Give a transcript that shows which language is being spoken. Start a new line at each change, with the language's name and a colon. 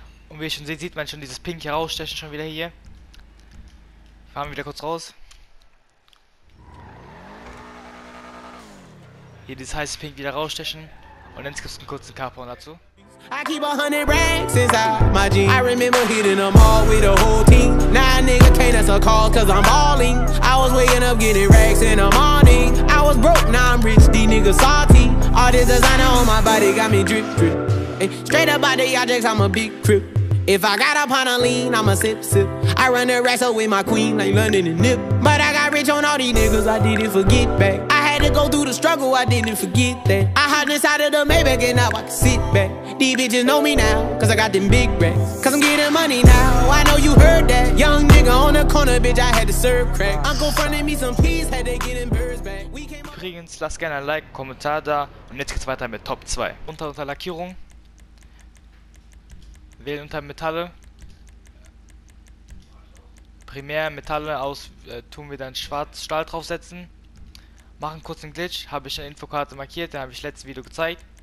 German: Und wie ihr schon seht, sieht man schon dieses Pink hier rausstechen schon wieder hier. Fahren wir wieder kurz raus. Hier dieses heiße Pink wieder rausstechen. Und jetzt gibt es einen kurzen Capon dazu.
English: I keep 100 racks inside my jeans. I remember hitting them all with the whole team. Now a nigga can't answer calls cause I'm balling. I was waking up getting racks in the morning. I was broke, now I'm rich, these niggas salty. All this designer on my body got me drip drip. Straight up by the objects, I'm a big crip. If I got up on a lean, I'm a sip sip. I run the racks up with my queen like London and Nip. But I got rich on all these niggas, I didn't forget back. I had to go through the struggle, I didn't forget that. I hopped inside of the Maybach and now I can sit back. These bitches know me now, cause I got them big racks. Cause I'm getting money now, I know you heard that. Young nigga on the corner, bitch, I had to serve crack. Uncle fronted me some peas, had to get them birds back. We came up.
German: Übrigens, lasst gerne ein Like, Kommentar da. Und jetzt geht's weiter mit Top 2. Unter Lackierung. Wählen unter Metalle. Primär Metalle aus, tun wir dann schwarz Stahl draufsetzen. Machen kurz einen Glitch, habe ich eine Infokarte markiert, den habe ich letztes Video gezeigt.